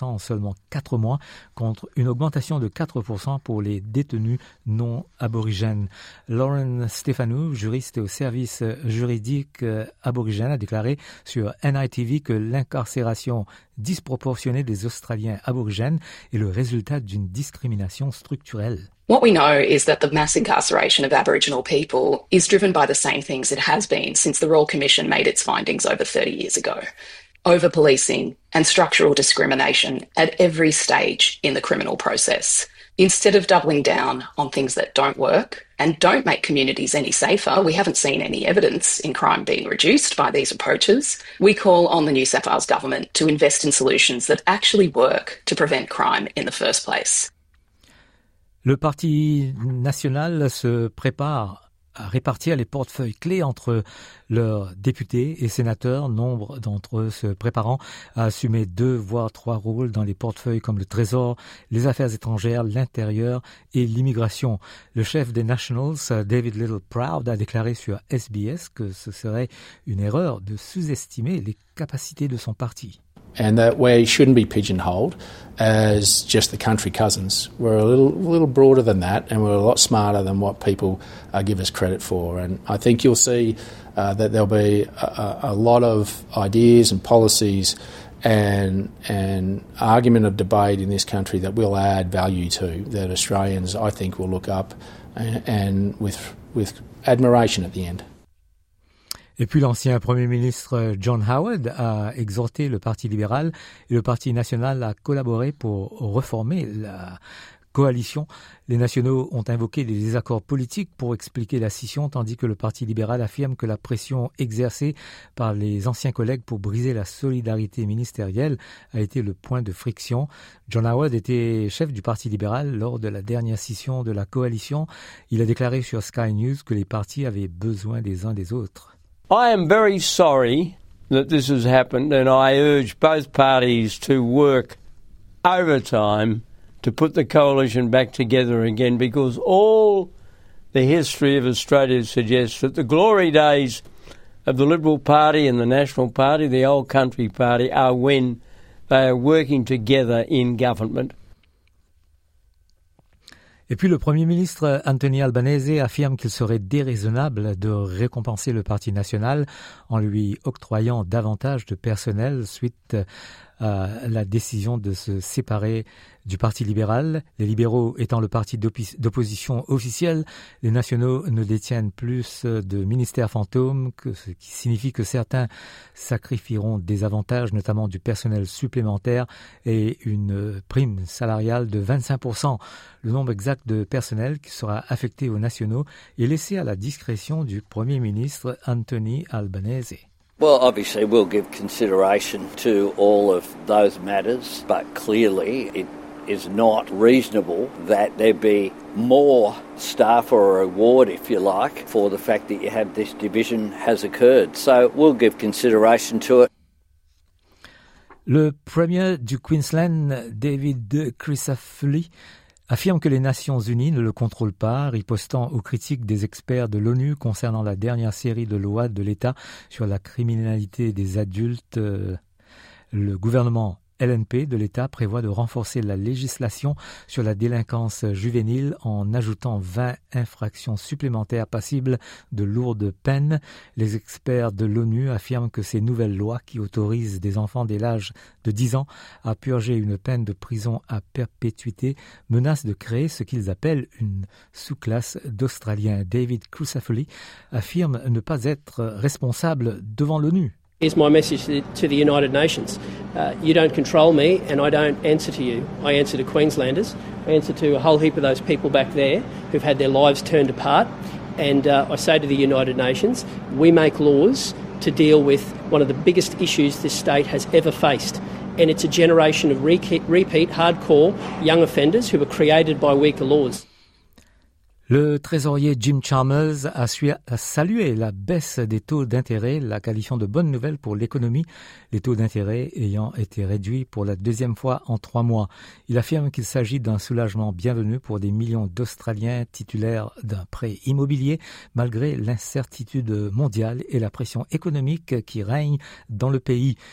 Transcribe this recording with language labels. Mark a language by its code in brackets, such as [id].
[fr] 5% en seulement 4 mois, contre une augmentation de 4% pour les détenus non aborigènes. Lauren Stefanou, juriste au service juridique aborigène, a déclaré sur NITV que l'incarcération disproportionnée des Australiens aborigènes est le résultat d'une discrimination structurelle. [en] What we know is that the mass incarceration of Aboriginal people is driven by the same things it has been since the Royal Commission made its findings over 30 years ago. Over-policing and structural discrimination at every stage in the criminal process. Instead of doubling down on things that don't work and don't make communities any safer, we haven't seen any evidence in crime being reduced by these approaches. We call on the New South Wales government to invest in solutions that actually work to prevent crime in the first place. [fr] Le Parti national se prépare à répartir les portefeuilles clés entre leurs députés et sénateurs, nombre d'entre eux se préparant à assumer deux voire trois rôles dans les portefeuilles comme le Trésor, les Affaires étrangères, l'Intérieur et l'Immigration. Le chef des Nationals, David Littleproud, a déclaré sur SBS que ce serait une erreur de sous-estimer les capacités de son parti. [en] And that we shouldn't be pigeonholed as just the country cousins. We're a little broader than that, and we're a lot smarter than what people give us credit for. And I think you'll see that there'll be a lot of ideas and policies and argument of debate in this country that we'll add value to, that Australians, I think, will look up and with admiration at the end. [fr] Et puis l'ancien Premier ministre John Howard a exhorté le Parti libéral et le Parti national à collaborer pour reformer la coalition. Les nationaux ont invoqué des désaccords politiques pour expliquer la scission, tandis que le Parti libéral affirme que la pression exercée par les anciens collègues pour briser la solidarité ministérielle a été le point de friction. John Howard était chef du Parti libéral lors de la dernière scission de la coalition. Il a déclaré sur Sky News que les partis avaient besoin des uns des autres. [en] I am very sorry that this has happened, and I urge both parties to work overtime to put the coalition back together again, because all the history of Australia suggests that the glory days of the Liberal Party and the National Party, the old country party, are when they are working together in government. [fr] Et puis le Premier ministre Anthony Albanese affirme qu'il serait déraisonnable de récompenser le Parti national en lui octroyant davantage de personnel suite à la décision de se séparer du Parti libéral. Les libéraux étant le parti d'opposition officiel, les nationaux ne détiennent plus de ministères fantômes, ce qui signifie que certains sacrifieront des avantages, notamment du personnel supplémentaire et une prime salariale de 25%. Le nombre exact de personnel qui sera affecté aux nationaux est laissé à la discrétion du Premier ministre Anthony Albanese. [en] Well, obviously, we'll give consideration to all of those matters, but clearly it is not reasonable that there be more staff or a reward, if you like, for the fact that you have this division has occurred. So we'll give consideration to it. [fr] Le Premier du Queensland, David Crisafulli, affirme que les Nations Unies ne le contrôlent pas, ripostant aux critiques des experts de l'ONU concernant la dernière série de lois de l'État sur la criminalité des adultes. Le gouvernement LNP de l'État prévoit de renforcer la législation sur la délinquance juvénile en ajoutant 20 infractions supplémentaires passibles de lourdes peines. Les experts de l'ONU affirment que ces nouvelles lois qui autorisent des enfants dès l'âge de 10 ans à purger une peine de prison à perpétuité menacent de créer ce qu'ils appellent une sous-classe d'Australiens. David Crisafulli affirme ne pas être responsable devant l'ONU. [en] Here's my message to the United Nations. You don't control me and I don't answer to you. I answer to Queenslanders. I answer to a whole heap of those people back there who've had their lives turned apart. And I say to the United Nations, we make laws to deal with one of the biggest issues this state has ever faced. And it's a generation of repeat, hardcore young offenders who were created by weaker laws. [fr] Le trésorier Jim Chalmers a salué la baisse des taux d'intérêt, la qualifiant de bonne nouvelle pour l'économie, les taux d'intérêt ayant été réduits pour la deuxième fois en 3 mois. Il affirme qu'il s'agit d'un soulagement bienvenu pour des millions d'Australiens titulaires d'un prêt immobilier, malgré l'incertitude mondiale et la pression économique qui règne dans le pays.